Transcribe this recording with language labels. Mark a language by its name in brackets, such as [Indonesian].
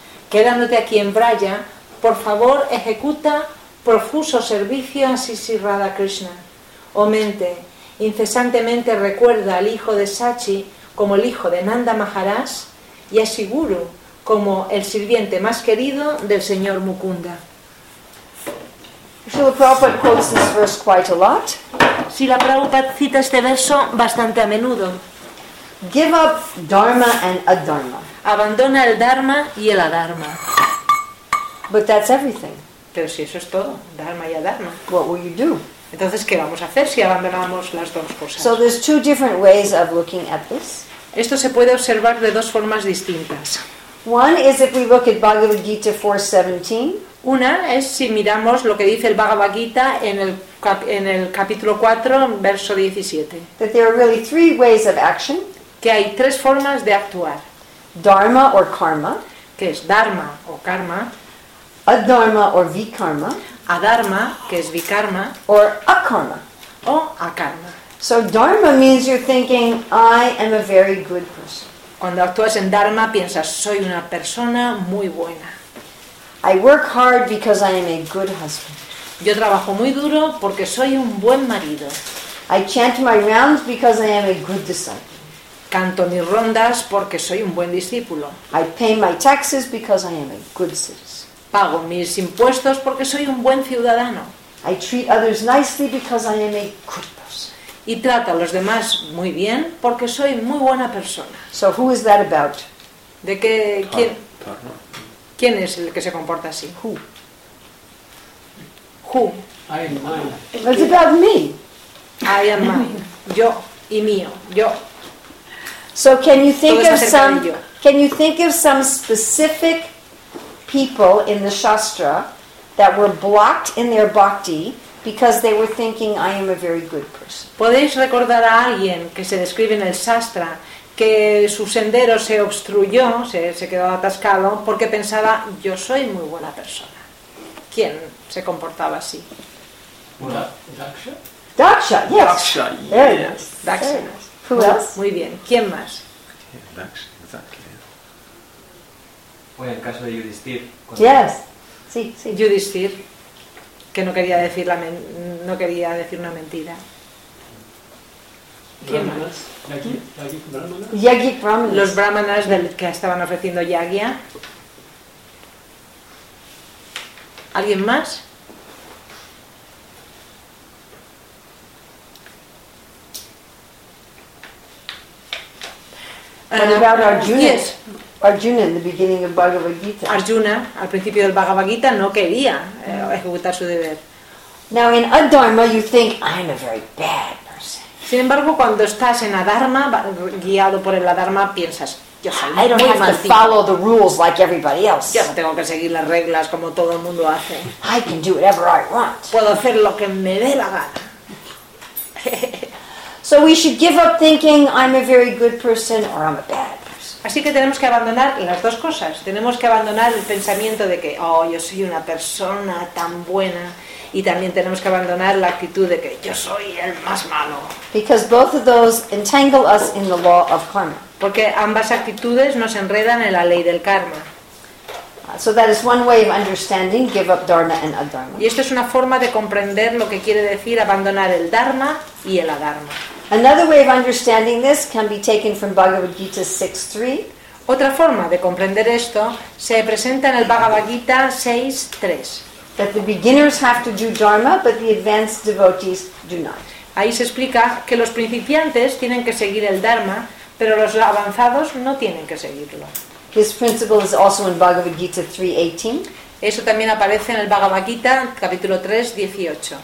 [Spanish] Quedándote aquí en Braya, por favor ejecuta profuso servicio a Sisi Radha Krishna. O mente, incesantemente recuerda al hijo de Sachi como el hijo de Nanda Maharaj y a Siguru como el sirviente más querido del señor Mukunda. [English] Srila Prabhupada quotes this verse quite a lot. [Spanish] Srila Prabhupada cita este verso bastante a menudo. [English] Give up dharma and adharma. [Spanish] Abandona el dharma y el adharma. [English] But that's everything. [Spanish] Pero si eso es todo, dharma y adharma. [English] What will you do? [Spanish] Entonces, ¿qué vamos a hacer si abandonamos las dos cosas? [English] So there's two different ways of looking at this. [Spanish] Esto se puede observar de dos formas distintas. [English] One is if we look at Bhagavad Gita 4:17. [Spanish] Una es si miramos lo que dice el Bhagavad Gita en el capítulo 4, verso 17. [English] That there are really three ways of action. [Spanish] Que hay tres formas de actuar. [English] Dharma or karma. [Spanish] Que es dharma o karma. [English] Adharma or vikarma. [Spanish] Adharma, que es vikarma. [English] Or akarma. [Spanish] O akarma. [English] So dharma means you're thinking, I am a very good person. [Spanish] Cuando actúas en dharma, piensas, soy una persona muy buena. [English] I work hard because I am a good husband. [Spanish] Yo trabajo muy duro porque soy un buen marido. [English] I chant my rounds because I am a good disciple. [Spanish] Canto mis rondas porque soy un buen discípulo. [English] I pay my taxes because I am a good citizen. [Spanish] Pago mis impuestos porque soy un buen ciudadano. [English] I treat others nicely because I am a good person. [Spanish] Y trato a los demás muy bien porque soy muy buena persona. [English] So who is that about? [Spanish] ¿De qué? ¿Quién? ¿Quién es el que se comporta así? [English] Who? Who? I am mine. It's about me. I am mine. [Spanish] Yo y mío. Yo. [English] So can you think of some specific people in the Shastra that were blocked in their bhakti because they were thinking I am a very good person? [Spanish] ¿Podéis recordar a alguien que se describe en el Shastra que su sendero se obstruyó, se quedó atascado, porque pensaba, yo soy muy buena persona? ¿Quién se comportaba así? Daksha. [English] Daksha, yes. Daksha, yes. Who else? [Spanish] Muy bien. ¿Quién más? Daksha. Fue el caso de Yudhishthir. [English] Yes. [Spanish] Sí, sí. Yudhishthir, que no quería decir una mentira. ¿Quién más? Yagyik Brahmanas. Los brahmanas que estaban ofreciendo yagya. ¿Alguien más? [English] About Arjuna. Yes. Arjuna in the beginning of Bhagavad Gita. [Spanish] Arjuna, al principio del Bhagavad Gita, no quería ejecutar su deber. [English] Now in adharma you think I'm a very bad. [Spanish] Sin embargo, cuando estás en adharma, guiado por el adharma, piensas, yo soy muy maldito. [English] I don't have to follow the rules like everybody else. [Spanish] Yo no tengo que seguir las reglas como todo el mundo hace. [English] I can do whatever I want. [Spanish] Puedo hacer lo que me dé la gana. [English] So we should give up thinking I'm a very good person or I'm a bad person. [Spanish] Así que tenemos que abandonar las dos cosas. Tenemos que abandonar el pensamiento de que, oh, yo soy una persona tan buena. Y también tenemos que abandonar la actitud de que yo soy el más malo. [English] Because both of those entangle us in the law of karma. [Spanish] Porque ambas actitudes nos enredan en la ley del karma. [English] So that is one way of understanding give up dharma and adharma. [Spanish] Y esto es una forma de comprender lo que quiere decir abandonar el dharma y el adharma. [English] Another way of understanding this can be taken from Bhagavad Gita 6.3. [Spanish] Otra forma de comprender esto se presenta en el Bhagavad Gita 6.3. [English] That the beginners have to do dharma, but the advanced devotees do not. [Spanish] Ahí se explica que los principiantes tienen que seguir el dharma, pero los avanzados no tienen que seguirlo. [English] This principle is also in Bhagavad Gita 3.18. [Spanish] Eso también aparece en el Bhagavad Gita, capítulo 3, 18.